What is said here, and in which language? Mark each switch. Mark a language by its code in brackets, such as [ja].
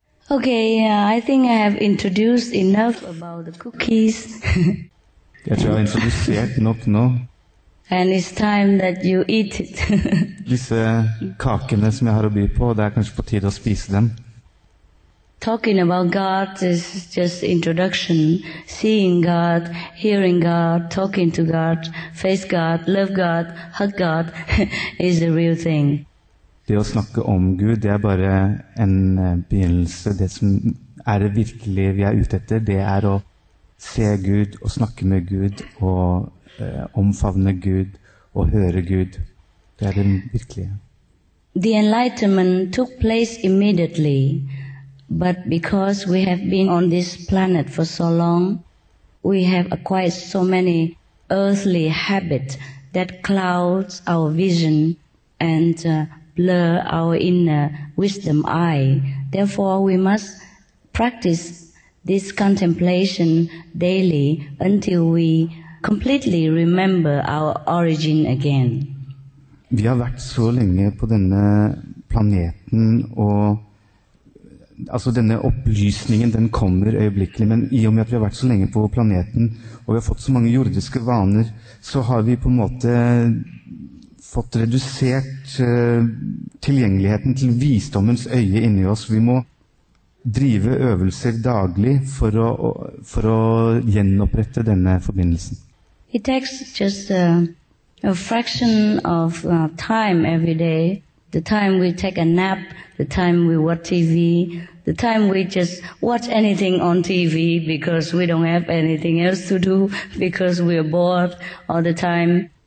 [en] Okay, I think I have introduced enough about the cookies. Yeah, you have introduced yet? Nope, no. And it's time that you eat it. [no] Disse kakene som jeg har å by på, det kanskje på tide å spise dem. [en] Talking about God is just introduction. Seeing God, hearing God, talking to God, face God, love God, hug God is the real thing. [no] Det å snakke om Gud, det er bare en begynnelse. Det som er det virkelige vi er ute etter, det er å se Gud og snakke med Gud og omfavne Gud og høre Gud. Det er det virkelige. [en] The enlightenment took place immediately, but because we have been on this planet for so long, we have acquired so many earthly habits that clouds our vision and blur our inner wisdom eye. Therefore, we must practice this contemplation daily until we completely remember our origin again. [no] Vi har vært så lenge på denne planeten, og altså denne opplysningen, den kommer øyeblikkelig, men i og med at vi har vært så lenge på planeten, og vi har fått så mange jordiske vaner, så har vi på en måte fått redusert tilgjengeligheten til visdommens øye inni oss. Vi må drive øvelser daglig for å gjenopprette denne forbindelsen. [en] It takes just a fraction of time every day. The time we take a nap, the time we watch TV, the time we just watch anything on TV because we don't have anything else to do because we are bored all the time.